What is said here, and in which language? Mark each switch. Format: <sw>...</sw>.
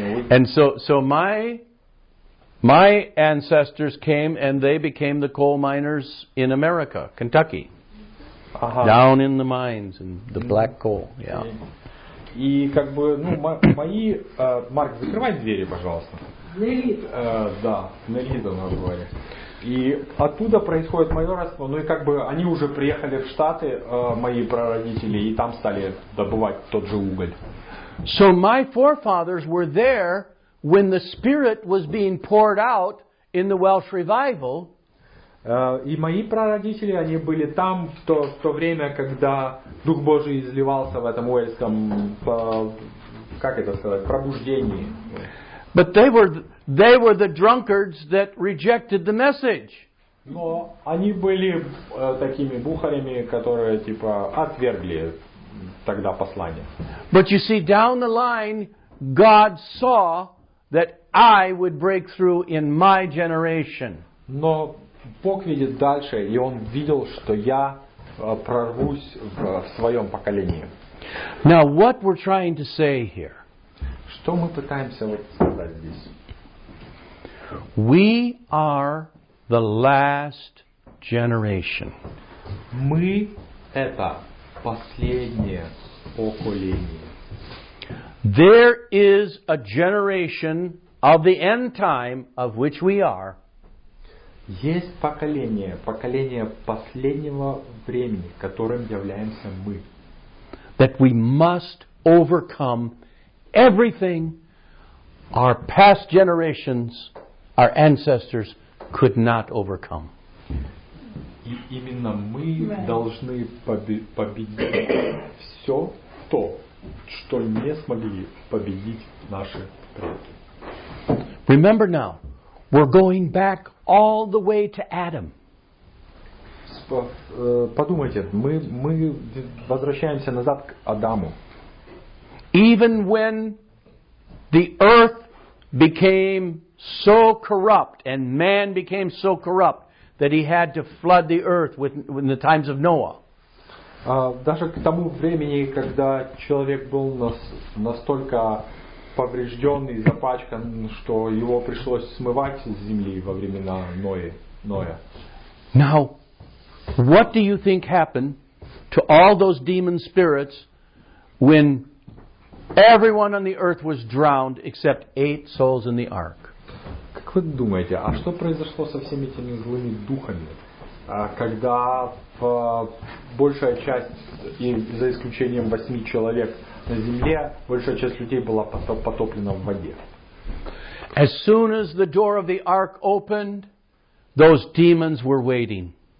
<en>And so my ancestors came and they became the coal miners in America, Kentucky. Uh-huh. Down in the mines and the black coal. Yeah.</en> <ru>И как бы, ну, мои... Марк, закрывай двери, пожалуйста. Нелит. Да, Нелит она говорит. И оттуда происходит мое родство. Ну и как бы они уже приехали в Штаты, мои прародители, и там стали добывать тот же уголь.</ru> <en>So my forefathers were there when the Spirit was being poured out in the Welsh Revival.</en> <ru>И мои прародители, они были там в то время, когда Дух Божий изливался в этом уэльском, как это сказать, пробуждении.</ru> <en>But they were the drunkards that rejected the message.</en> <ru>Но они были такими бухарями, которые типа отвергли тогда послание.</ru> <en>But you see, down the line, God saw that I would break through in my generation.</en> <ru>Но Бог видит дальше, и он видел, что я прорвусь в своем поколении.</ru> <en>Now, what we're trying to say here?</en> <ru>Что мы пытаемся вот сказать здесь?</ru> <en>We are the last generation.</en> <ru>Мы это последнее поколение.</ru> <en>There is a generation of the end time of which we are.</en> <ru>Есть поколение последнего времени, которым являемся мы.</ru> <en>That we must overcome everything our past generations, our ancestors could not overcome.</en> <ru>И именно мы должны победить все то, что не смогли победить наши предки.</ru> <en>Remember now, we're going back all the way to Adam.</en> <ru>Подумайте, мы возвращаемся назад к Адаму.</ru> <en>Even when the earth became so corrupt and man became so corrupt that he had to flood the earth in the times of Noah.</en> <ru>Даже к тому времени, когда человек был настолько поврежденный, запачкан, что его пришлось смывать с земли во времена Ноя.</ru> <en>Now, what do you think happened to all those demon spirits when everyone on the earth was drowned except 8 souls in the ark?</en> <ru>Как вы думаете, а что произошло со всеми этими злыми духами, когда большая часть, за исключением 8 человек, на земле большая часть людей была потоплена в воде.</ru> <en>As soon as the door of the ark opened, those demons were waiting.</en>